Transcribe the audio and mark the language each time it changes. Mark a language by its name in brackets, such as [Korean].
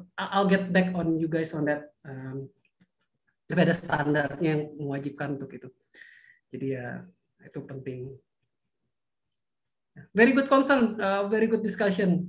[English] I'll get back on you guys on that. [Indonesian] Tapi ada standarnya yang mewajibkan untuk itu. Jadi ya itu penting. [English] Very good concern, very good discussion.